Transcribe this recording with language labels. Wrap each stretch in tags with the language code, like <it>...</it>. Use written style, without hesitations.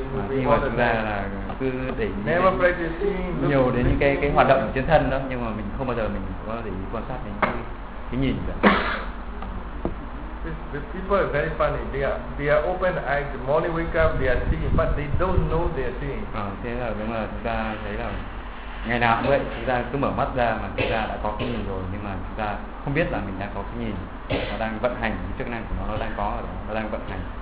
<vi>Nhưng mà thực ra là cứ để ý</vi> <en>never practicing, looking,</en> <vi>nhiều đến những cái hoạt động trên thân đó, nhưng mà mình không bao giờ mình có để ý quan sát đến cái nhìn cả.</vi> <en>The people are very funny. They are open eyes. The morning wake up, they are seeing, but they don't know they are seeing.</en> <vi>Thế là đúng là chúng ta thấy là ngày nào cũng vậy. Chúng ta cứ mở mắt ra mà chúng ta đã có cái nhìn rồi, nhưng mà chúng ta không biết là mình đã có cái nhìn. Nó đang vận hành, cái chức năng của nó đang có rồi, nó đang vận hành.</vi>